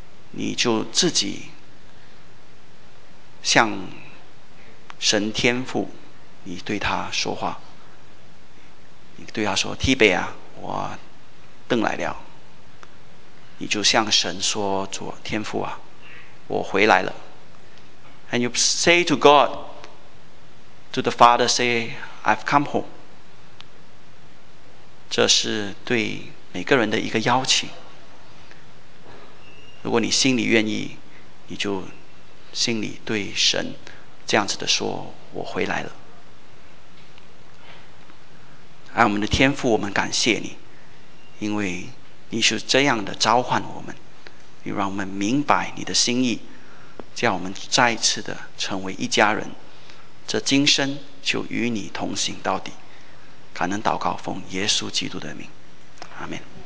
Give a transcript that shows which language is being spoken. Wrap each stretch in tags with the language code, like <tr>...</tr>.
<zh>你就自己向神天父，你对他说话，你对他说：“提贝啊，我等来了。” 你就向神说：“主天父啊，我回来了。”</zh> <en>And you say to God, to the Father, say, "I've come home."</en> <zh>这是对每个人的一个邀请。如果你心里愿意，你就心里对神这样子的说：“我回来了。” 爱我们的天父，我们感谢你，因为你是这样的召唤我们，你让我们明白你的心意，叫我们再次的成为一家人，这今生就与你同行到底。感恩祷告，奉耶稣基督的名，阿门。</zh>